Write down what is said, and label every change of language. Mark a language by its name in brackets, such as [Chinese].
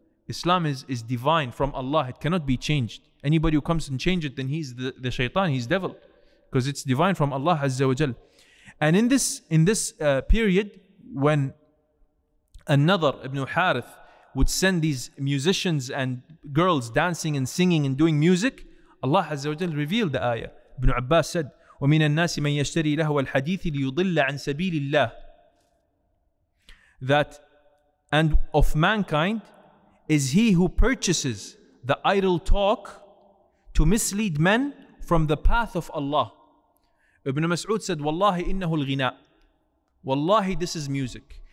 [English] Islam is divine from Allah. It cannot be changed. Anybody who comes and change it, then he's the shaitan, he's devil. Because it's divine from Allah Azza wa Jal. And in this period, when An-Nadr ibn Harith would send these musicians and girls dancing and singing and doing music, Allah Azza wa Jal revealed the ayah. Ibn Abbas said, [Arabic] وَمِنَ النَّاسِ مَنْ يَشْتَرِي لَهُوَ الْحَدِيثِ لِيُضِلَّ عَنْ سَبِيلِ اللَّهِ. [English] That, and of mankind, is he who purchases the idle talk to mislead men from the path of Allah. Ibn Mas'ud said, [Arabic] Wallahi innahu al-ghina. [English] Wallahi, this is music.